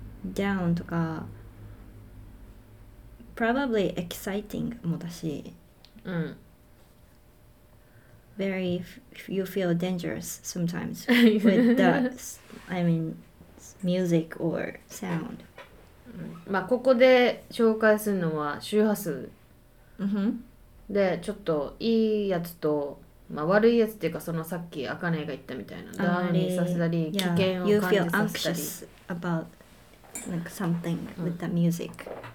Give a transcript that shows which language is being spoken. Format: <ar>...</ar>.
<en>Down</en> <ja>とか</ja> <en>Probably exciting</en> <ja>もだし</ja> <en>Very, you feel dangerous sometimes with that, I mean, music or sound.</en> <ja>まあここで紹介するのは周波数。でちょっといいやつと、まあ、悪いやつっていうかそのさっきアカネが言ったみたいなダウンにさせたり危険を感じさせたり</ja> <en>You feel anxious about like something with the music.</en>